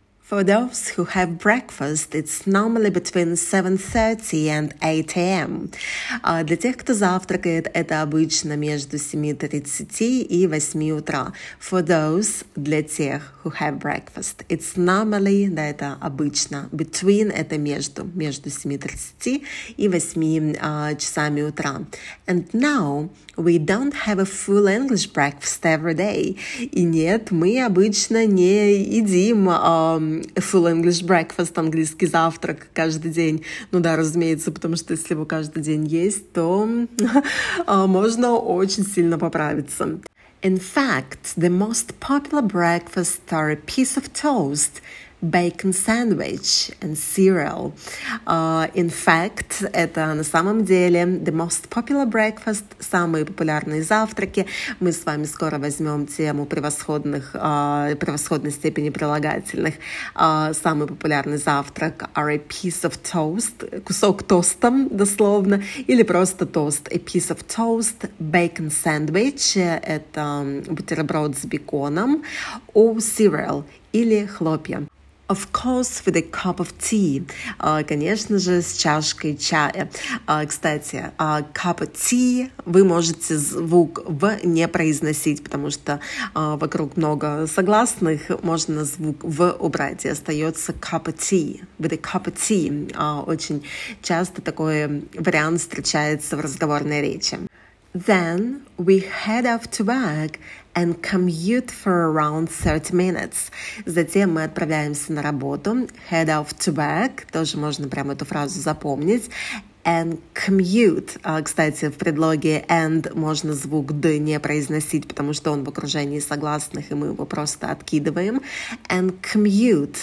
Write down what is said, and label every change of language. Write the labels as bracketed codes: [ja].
[en] For those who have breakfast, it's normally between 7:30 and 8 a.m. [ru] Для тех, кто завтракает, это обычно между 7:30 и 8 утра. [en] For those, [ru] для тех, [en] who have breakfast, it's normally, [ru] да, это обычно, [en] between, [ru] это между 7:30 и 8 часами утра. [en] And now, we don't have a full English breakfast every day. [ru] И нет, мы обычно не едим [en] full English breakfast, [ru] английский завтрак каждый день. Ну да, разумеется, потому что если его каждый день есть, то можно очень сильно поправиться. [en] In fact, the most popular breakfast are a piece of toast, bacon sandwich and cereal. In fact, [ru] это на самом деле [en] the most popular breakfast, [ru] самые популярные завтраки. Мы с вами скоро возьмем тему превосходной степени прилагательных. Самый популярный завтрак [en] are a piece of toast, [ru] кусок тоста, дословно, или просто тост. [en] A piece of toast, bacon sandwich, [ru] это бутерброд с беконом, [en] or cereal, [ru] или хлопья. [en] Of course, with a cup of tea. [ru] Конечно же, с чашкой чая. Кстати, [en] cup of tea, [ru] вы можете звук «в» не произносить, потому что вокруг много согласных, можно звук «в» убрать, и остается cup of tea, [en] with a cup of tea. [ru] Очень часто такой вариант встречается в разговорной речи. [en] Then we head off to work and commute for around 30 minutes. [ru] Затем мы отправляемся на работу. [en] Head off to work. [ru] Тоже можно прямо эту фразу запомнить. [en] And commute. [ru] Кстати, в предлоге and можно звук d не произносить, потому что он в окружении согласных, и мы его просто откидываем. [en] And commute.